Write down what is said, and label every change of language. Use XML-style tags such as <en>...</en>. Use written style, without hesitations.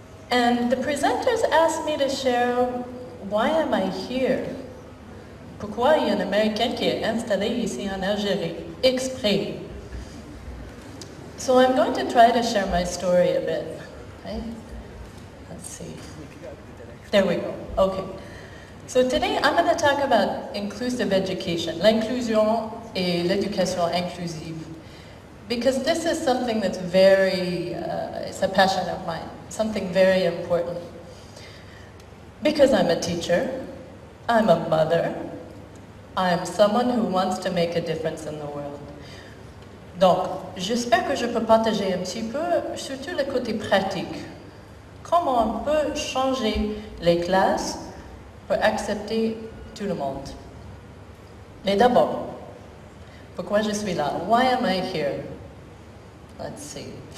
<en>And the presenters asked me to share why am I here?</en> <fr>Pourquoi il y a un Américain qui est installé ici en Algérie, exprès?</fr> <en>So I'm going to try to share my story a bit. Okay? Let's see. There we go. Okay. So today I'm going to talk about inclusive education,</en> <fr>l'inclusion et l'éducation inclusive.</fr> <en>Because this is something that's very, it's a passion of mine. Something very important. Because I'm a teacher, I'm a mother, I'm someone who wants to make a difference in the world.</en> <fr>Donc, j'espère que je peux partager un petit peu, surtout le côté pratique. Comment on peut changer les classes pour accepter tout le monde. Mais d'abord, pourquoi je suis là?</fr> <en>Why am I here? Let's see.</en>